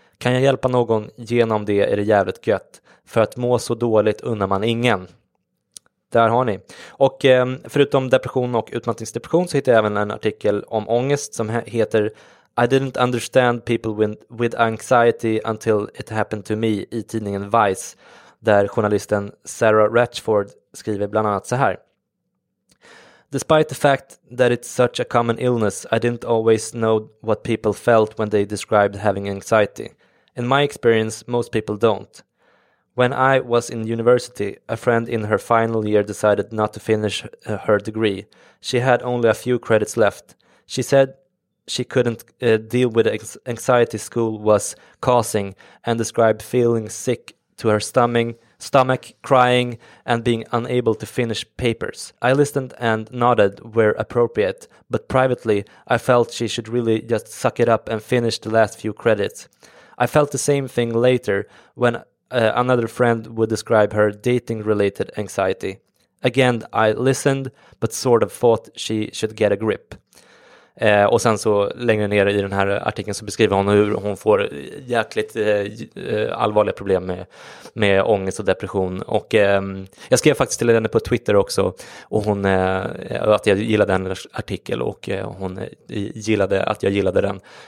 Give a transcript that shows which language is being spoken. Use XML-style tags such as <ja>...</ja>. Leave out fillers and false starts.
<sv>Kan jag hjälpa någon genom det är det jävligt gött. För att må så dåligt unnar man ingen. Där har ni. Och förutom depression och utmattningsdepression så hittar jag även en artikel om ångest som heter</sv> <en>I didn't understand people with anxiety until it happened to me</en> <sv>i tidningen Vice. Där journalisten Sarah Ratchford skriver bland annat så här:</sv> <en>Despite the fact that it's such a common illness, I didn't always know what people felt when they described having anxiety. In my experience, most people don't. When I was in university, a friend in her final year decided not to finish her degree. She had only a few credits left. She said she couldn't deal with the anxiety school was causing and described feeling sick to her stomach, crying, and being unable to finish papers. I listened and nodded where appropriate, but privately, I felt she should really just suck it up and finish the last few credits. I felt the same thing later when another friend would describe her dating-related anxiety. Again, I listened, but sort of thought she should get a grip.</en> <sv>Och sen så längre ner i den här artikeln så beskriver hon hur hon får jäkligt allvarliga problem med ångest och depression. Och jag skrev faktiskt till henne på Twitter också och hon att jag gillade hennes artikel och hon gillade att jag gillade den.</sv>